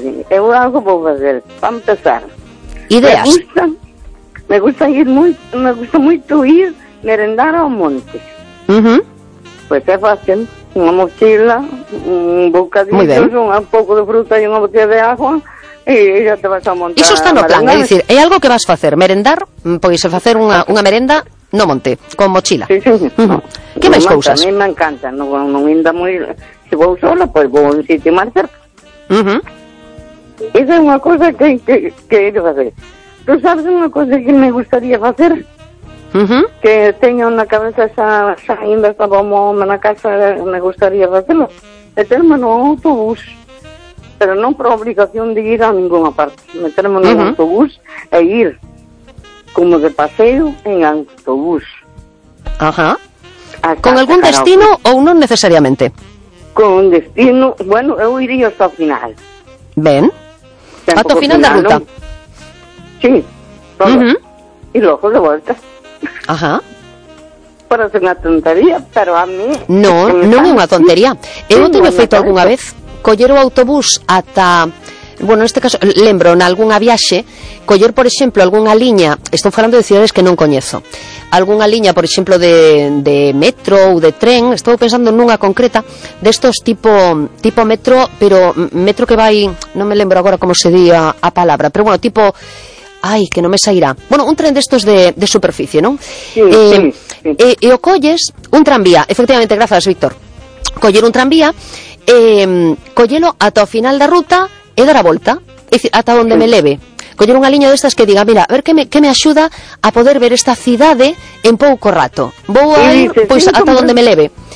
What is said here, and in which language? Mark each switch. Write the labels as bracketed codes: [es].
[gl] Eu algo vou facer, para empezar. Ideas. Me gusta moito ir merendar ao monte. Pois é fácil. Unha mochila, un bocadillo, un pouco de fruta e unha botella de agua e já te vas ao monte. Iso está no plan, é dicir, é algo que vas facer. Merendar, podes facer unha merenda no monte, con mochila. Sí, sí. Que máis cousas? A mí me encanta. Non inda moi... Se vou sola, pois vou a un sitio máis cerca. Esa é unha cosa que hai que facer. Tú sabes unha cosa que me gustaría facer? Que teño na cabeza xa ainda estaba o home na casa, me gustaría facelo, meterme no autobús, pero non por obligación de ir a ninguna parte, meterme no autobús e ir como de paseo en autobús. Con algún destino ou non necesariamente? Con un destino, bueno, eu iría hasta o final. Ben, hasta o final da ruta, [es] non? Sí, todo. Uh-huh. Y luego de vuelta. Ajá. Pero es una tontería, pero a mí... No, no es una tontería. [gl] ¿Eu teño feito alguna vez? Coller o autobús ata... Bueno, neste caso, lembro, en algunha viaxe, coller, por exemplo, algunha liña, estou falando de cidades que non coñezo, algunha liña, por exemplo, de metro ou de tren, estou pensando nunha concreta, destos tipo metro, pero metro que vai, non me lembro agora como se di a palabra, pero bueno, tipo, ai, que non me sairá. Bueno, un tren destos de superficie, non? Sí. E o colles, un tranvía, efectivamente, grazas, Víctor, coller un tranvía, collelo ata o final da ruta, e dar a volta, e dicir, ata onde me leve. Coller unha liña destas que diga, mira, a ver que me axuda a poder ver esta cidade en pouco rato. Vou a ir, pois, ata onde me leve.